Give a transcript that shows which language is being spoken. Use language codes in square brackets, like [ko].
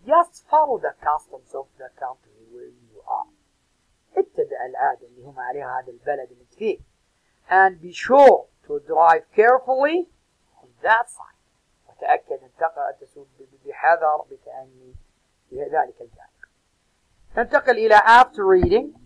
[en] Just follow the customs of the country where you are. [ar] اتبع العادة اللي هم عليها هذا البلد اللي فيه. [en] And be sure to drive carefully on that side. [ar] وتأكد أن تسوق بحذر بتأني ذلك الجانب. ننتقل إلى [en] after reading.